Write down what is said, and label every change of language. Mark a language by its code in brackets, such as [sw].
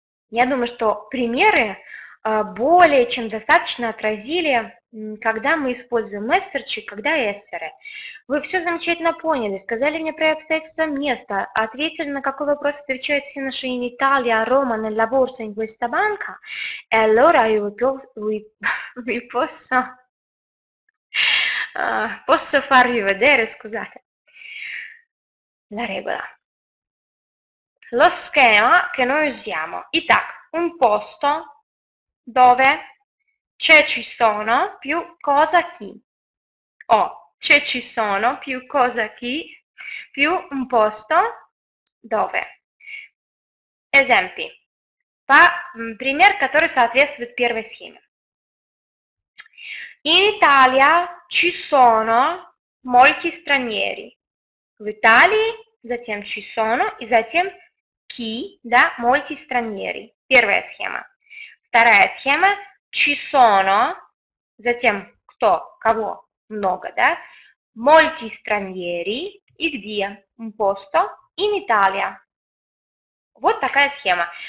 [ru] Я думаю, что примеры более чем достаточно отразили, когда мы используем эссерчи, когда эссеры. Вы все замечательно поняли, сказали мне про обстоятельства места, ответили на какой вопрос отвечают все наши [it] in Italia, Roma, nella borsa, in questa banca. E allora io vi posso farvi vedere, scusate, la regola. Lo schema che noi usiamo. [ru] Итак. [it] Un posto dove c'è ci sono più cosa chi. O c'è ci sono più cosa chi più un posto dove. Esempi. [ru] Пример, который соответствует первой схеме. [it] In Italia ci sono molti stranieri. [ru] В Италии, затем ci sono и затем chi, да, [it] molti stranieri. [ru] Первая схема. Вторая схема. Ci sono. Затем кто, кого, много, да? [it] Molti stranieri. [ru] И где? [it] Un posto. In Italia. [ru] Вот такая схема.